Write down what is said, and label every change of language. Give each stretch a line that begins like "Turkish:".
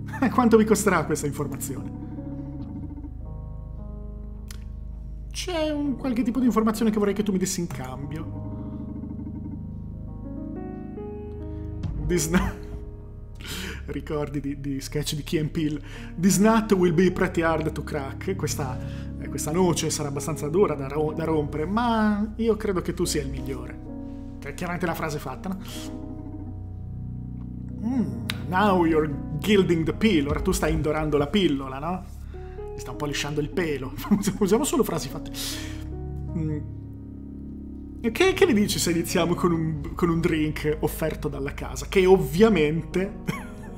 Italian: Quanto vi costerà questa informazione? C'è un qualche tipo di informazione che vorrei che tu mi dessi in cambio. Ricordi di sketch di Key & Peele.
English: This nut will be pretty hard to crack.
Italian: Questa noce sarà abbastanza dura da rompere, ma io credo che tu sia il migliore. Che è chiaramente la frase fatta, no?
English: Now you're gilding the peel.
Italian: Ora tu stai indorando la pillola, no? Mi sta un po' lisciando il pelo. Usiamo solo frasi fatte. Che ne dici se iniziamo con un drink offerto dalla casa? Che ovviamente...